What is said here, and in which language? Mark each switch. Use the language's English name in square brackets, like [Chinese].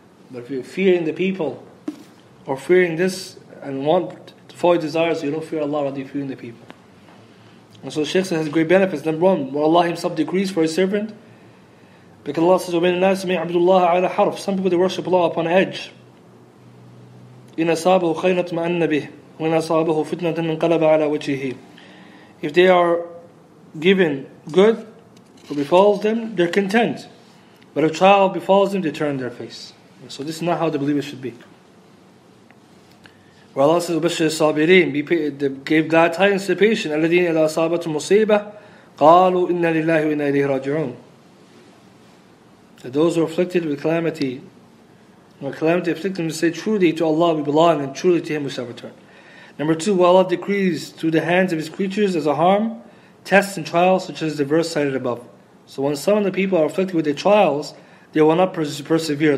[English] But if you're fearing the people, or fearing this, and want to follow desires, you don't fear Allah, rather you're fearing the people. And so the Shaykh says, has great benefits. Number one, where Allah himself decrees for his servant, because Allah says, [Arabic] وَمِنَ النَّاسِ مَنْ يَعْبُدُ اللَّهَ عَلَى حَرْفٍ. [English] Some people, they worship Allah upon edge. [Arabic] إِنْ أَصَابَهُ خَيْرٌ اطْمَأَنَّ بِهِ. [English] When [Arabic] أصابه فتنة انقلب على وجهه. [English] If they are given good, or befalls them, they're content. But if trial befalls them, they turn their face. So this is not how the believers should be. Where Allah says, [Arabic] بشر الصابرين, [English] give glad tidings to the patient. [Arabic] الذين إذا أصابتهم مصيبة قالوا إن لله وإنا إليه راجعون. [English] Those who are afflicted with calamity, when calamity afflicts them, they say, truly to Allah we belong, and truly to Him we shall return. Number two, while Allah decrees through the hands of His creatures as a harm, tests and trials, such as the verse cited above. So when some of the people are afflicted with their trials, they will not persevere.